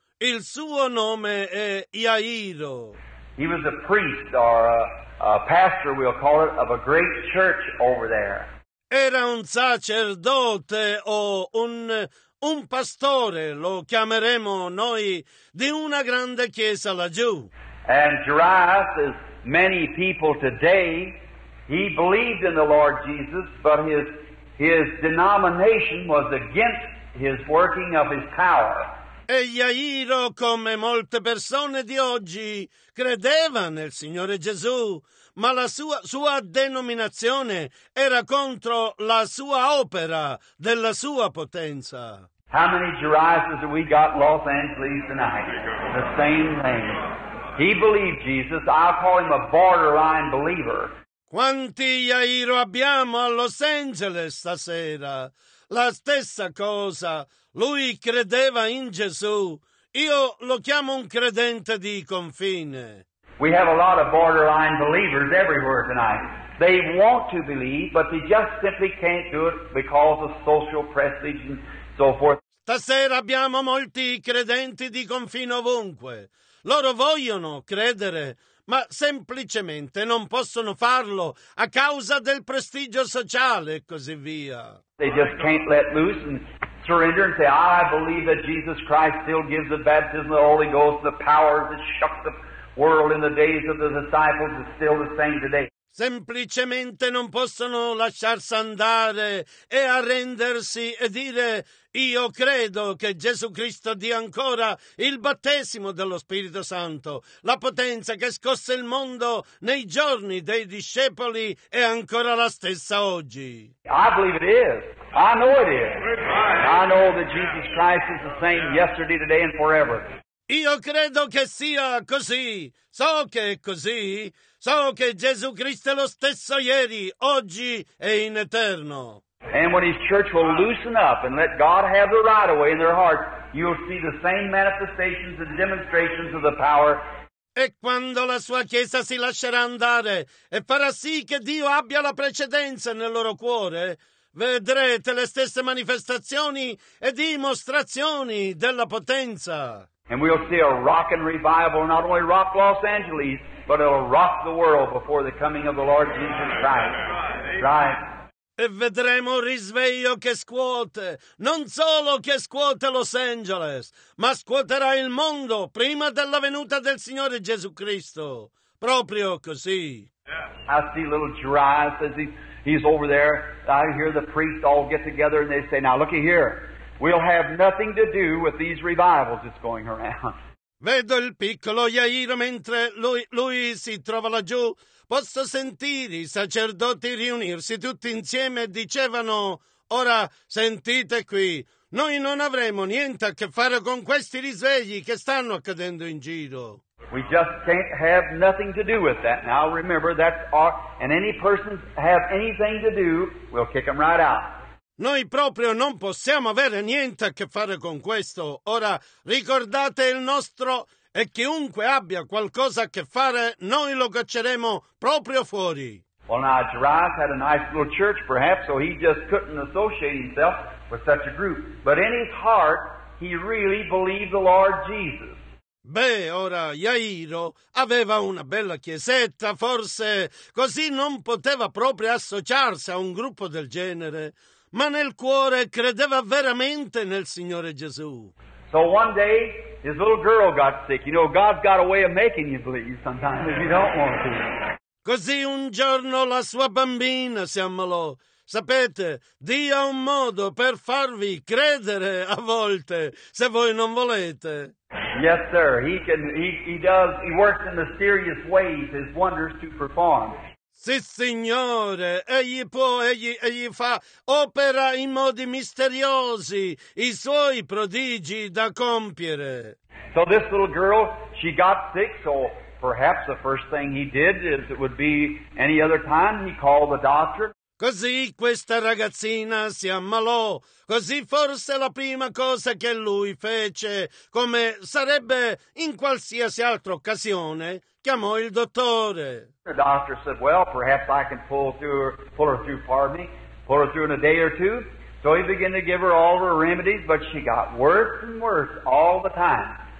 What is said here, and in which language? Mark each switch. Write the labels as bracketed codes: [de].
[it] Il suo nome è Jairo. [en] He was a priest, or a pastor, we'll call it, of a great church over there. [it] Era un sacerdote o un pastore, lo chiameremo noi, di una grande chiesa laggiù. [en] And Jairus is many people today, he believed in the Lord Jesus, but his denomination was against his working of his power. [it] E Jairo, come molte persone di oggi, credeva nel Signore Gesù, ma la sua denominazione era contro la sua opera della sua potenza. [en] How many Jairuses have we got in Los Angeles tonight? The same name. He believed Jesus. I'll call him a borderline believer. [it] Quanti Jairo abbiamo a Los Angeles stasera? La stessa cosa. Lui credeva in Gesù. Io lo chiamo un credente di confine. [en] We have a lot of borderline believers everywhere tonight. They want to believe, but they just simply can't do it because of social prestige and so forth. [it] Stasera abbiamo molti credenti di confine ovunque. Loro vogliono credere, ma semplicemente non possono farlo a causa del prestigio sociale e così via. [en] They just can't let loose and surrender and say, I believe that Jesus Christ still gives the baptism of the Holy Ghost, the power that shook the world in the days of the disciples is still the same today. [it] Semplicemente non possono lasciarsi andare e arrendersi e dire, io credo che Gesù Cristo dia ancora il battesimo dello Spirito Santo, la potenza che scosse il mondo nei giorni dei discepoli è ancora la stessa oggi. [en] I believe it is. I know it is. I know that Jesus Christ is the same yesterday, today and forever. [it] Io credo che sia così. So che è così. So che Gesù Cristo è lo stesso ieri, oggi e in eterno. [en] And when his church will loosen up and let God have the right of way in their hearts, you'll see the same manifestations and demonstrations of the power. [it] E quando la sua chiesa si lascerà andare e farà sì che Dio abbia la precedenza nel loro cuore, vedrete le stesse manifestazioni e dimostrazioni della potenza. [en] And we'll see a rocking revival, not only rock Los Angeles, but it'll rock the world before the coming of the Lord Jesus Christ. Right. [it] E vedremo un risveglio che scuote, non solo che scuote Los Angeles, ma scuoterà il mondo prima della venuta del Signore Gesù Cristo. Proprio così. [en] I see little Jairus as he's over there. I hear the priests all get together and they say, now looky here. We'll have nothing to do with these revivals that's going around. [it] Vedo il piccolo Jairo mentre lui si trova laggiù. Posso sentire i sacerdoti riunirsi tutti insieme e dicevano, ora sentite qui, noi non avremo niente a che fare con questi risvegli che stanno accadendo in giro. [en] We just can't have nothing to do with that. Now remember, that's our, and any person have anything to do, we'll kick them right out. [it] Noi proprio non possiamo avere niente a che fare con questo. Ora ricordate il nostro, e chiunque abbia qualcosa a che fare, noi lo cacceremo proprio fuori. [en] Well, now, Jairus had a nice little church, perhaps, so he just couldn't associate himself with such a group. But in his heart, he really believed the Lord Jesus. [it] Beh, ora, Jairo aveva una bella chiesetta, forse così non poteva proprio associarsi a un gruppo del genere, ma nel cuore credeva veramente nel Signore Gesù. [en] So one day, his little girl got sick. You know, God's got a way of making you believe sometimes if you don't want to. [it] Così un giorno la sua bambina si ammalò. Sapete, Dio ha un modo per farvi credere a volte, se voi non volete. [en] Yes, sir. He works in mysterious ways his wonders to perform. [it] Sì, signore. Egli fa opera in modi misteriosi, i suoi prodigi da compiere. [en] So this little girl, she got sick, so perhaps the first thing he did is it would be any other time he called the doctor. [it] Così questa ragazzina si ammalò. Così forse la prima cosa che lui fece, come sarebbe in qualsiasi altra occasione, chiamò il dottore. [en] The doctor said, well, perhaps I can pull her through in a day or two. So he began to give her all her remedies, but she got worse and worse all the time.